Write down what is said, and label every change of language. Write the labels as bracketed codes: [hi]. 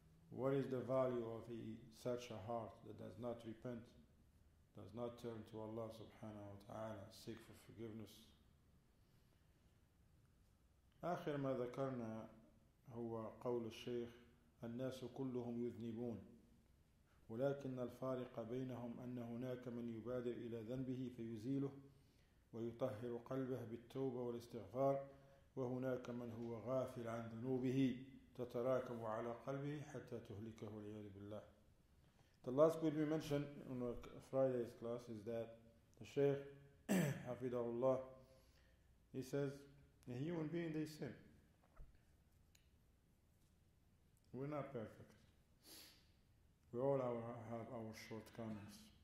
[en] What is the value of such a heart that does not repent, does not turn to Allah subhanahu wa ta'ala, seek for forgiveness? [ar] آخر ما ذكرنا هو قول الشيخ الناس كلهم يذنبون ولكن الفارق بينهم أن هناك من يبادر إلى ذنبه فيزيله ويطهر قلبه بالتوبة والاستغفار وهناك من هو غافل عن ذنوبه تتراكم على قلبه حتى تهلكه والعياذ بالله. [en] The last point we mentioned on Friday's class is that the Shaykh Hafidahullah, he says, a human being, they sin. We're not perfect. We all have our shortcomings.